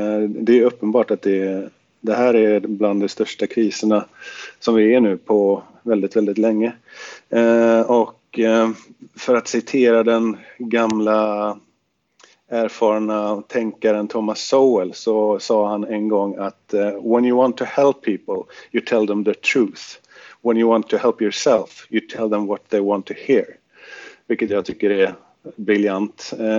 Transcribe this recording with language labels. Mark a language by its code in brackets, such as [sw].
[sv] Det är uppenbart att det här är bland de största kriserna som vi är nu på väldigt, väldigt länge. Och för att citera den gamla erfarna tänkaren Thomas Sowell, så sa han en gång att [en] when you want to help people, you tell them the truth. When you want to help yourself, you tell them what they want to hear. [sv] Vilket jag tycker är briljant.